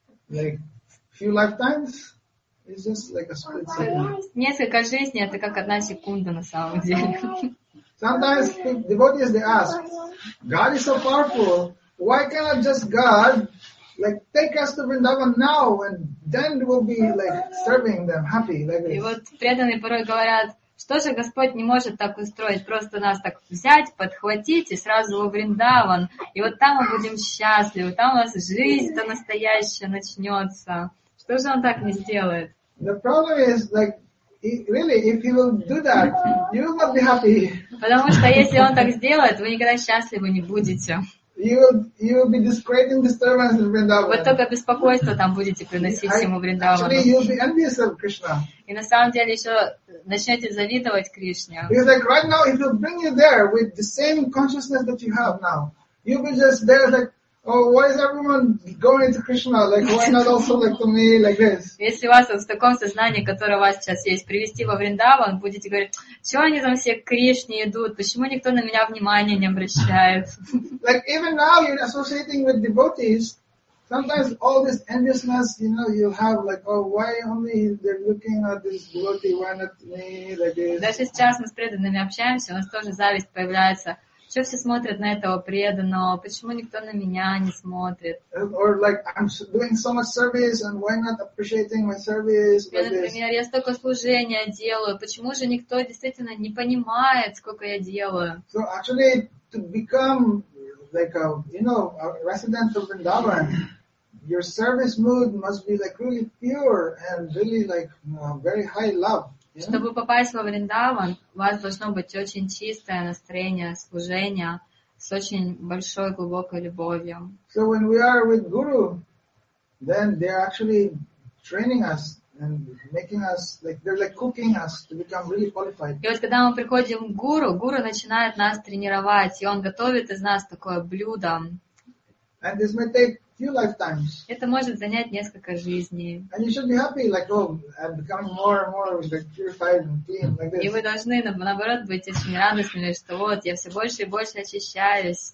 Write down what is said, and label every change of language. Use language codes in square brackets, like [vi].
[en] Like, few lifetimes, it's just like a split second. [ru] Несколько жизней, это как одна секунда на самом деле. [en] Sometimes devotees, they ask, God is so powerful, why cannot just God, like, take us to Vrindavan now, and then we'll be, like, serving them happy, like this. [ru] И вот преданные порой говорят, что же Господь не может так устроить? Просто нас так взять, подхватить и сразу во Вриндаван. И вот там мы будем счастливы. Там у нас жизнь-то настоящая начнется. Что же он так не сделает? [en] The problem is, like, really, if he will do that, you will not be happy. [ru] Потому что если он так сделает, вы никогда счастливы не будете. [en] You will be discrediting disturbance in Vrindavan. [ru] Вы только беспокойство там будете приносить всему Вриндавану. [en] Actually, you'll be envious of Krishna. [ru] И на самом деле еще начнете завидовать Кришне. [en] Because like right now, if he'll bring you there with the same consciousness that you have now, you'll be just there like, oh, why is everyone going to Krishna? Like, why not also like to me like this? [ru] Если у вас в таком сознании, которое у вас сейчас есть, привести во Вриндаван, будете говорить, чего они там все к Кришне идут? Почему никто на меня внимания не обращает? [en] Like, even now you're associating with devotees, sometimes all this enviousness, you know, you have like, oh, why only they're looking at this devotee, why not me like this? [ru] Даже сейчас мы с преданными общаемся, у нас тоже зависть появляется. Что все смотрят на этого преданного? Почему никто на меня не смотрит? [en] Or like I'm doing so much service and why not appreciating my service? [ru] Я, например, я столько служения делаю. Почему же никто действительно не понимает, сколько я делаю? [en] So actually to become like a, you know, a resident of Vrindavan, your service mood must be like really pure and really like very high love. Yeah. [ru] Чтобы попасть во Вриндаван, у вас должно быть очень чистое настроение, служение с очень большой, глубокой любовью. [en] So when we are with Guru, then they're actually training us and making us, like, they're like cooking us to become really qualified. [ru] И вот когда мы приходим к Гуру, Гуру начинает нас тренировать, и он готовит из нас такое блюдо. [en] And this may take few lifetimes. [ru] Это может занять несколько жизней. [en] And you should be happy, like, oh, I'm becoming more and more like purified and clean, like this. [ru] И вы должны, наоборот, быть очень радостными, что вот, я все больше и больше очищаюсь.